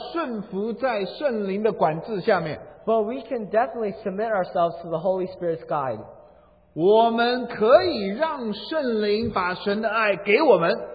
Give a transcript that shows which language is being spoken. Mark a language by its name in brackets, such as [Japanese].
[Chinese] 但是我们绝对可以做得到顺服在圣灵的管制下面, [English] but we can definitely submit ourselves to the Holy Spirit's guide. [Chinese] 我们可以让圣灵把神的爱给我们,